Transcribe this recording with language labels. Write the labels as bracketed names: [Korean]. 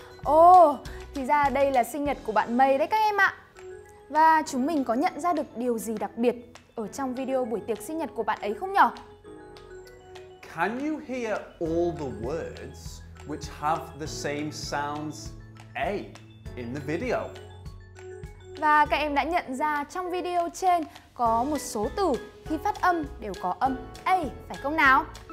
[Vietnamese] Oh, thì ra đây là sinh nhật của bạn May đấy các em ạ. Và chúng mình có nhận ra được điều gì đặc biệt ở trong video buổi tiệc sinh nhật của bạn ấy không nhỉ? [English] Can you hear all the words which have the same sounds A in the video? [Vietnamese] Và các em đã nhận ra trong video trên có một số từ khi phát âm đều có âm A, phải không nào?